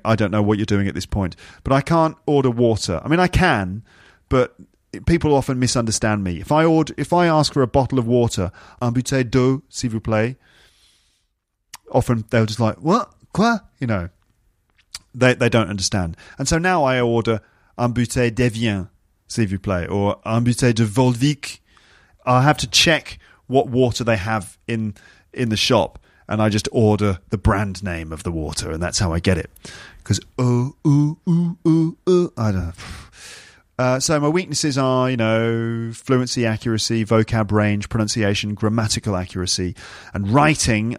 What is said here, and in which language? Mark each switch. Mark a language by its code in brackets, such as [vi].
[en] I don't know what you're doing at this point. But I can't order water. I mean, I can, but people often misunderstand me. If I ask for a bottle of water, [fr] un bouteille d'eau, s'il vous plaît, [en] often they're just like, what? Quoi? You know, they don't understand. And so now I order [fr] un bouteille d'Evian, s'il vous plaît, [en] or un bouteille de Volvic. I have to check what water they have in the shop, and I just order the brand name of the water, and that's how I get it. Because, I don't know. So my weaknesses are, you know, fluency, accuracy, vocab range, pronunciation, grammatical accuracy, and writing.